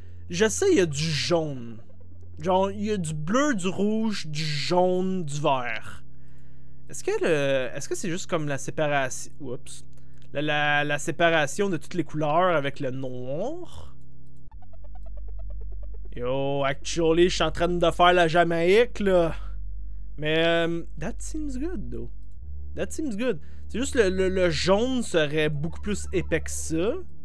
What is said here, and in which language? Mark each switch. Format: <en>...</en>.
<fr>Je sais, il y a du jaune. Genre, il y a du bleu, du rouge, du jaune, du vert. Est-ce que c'est juste comme la séparation... Oups. La séparation de toutes les couleurs avec le noir? Yo, actually, je suis en train de faire la Jamaïque, là.</fr> <en>Mais, that seems good, though. That seems good.</en> <fr>C'est juste le jaune serait beaucoup plus épais que ça.</fr>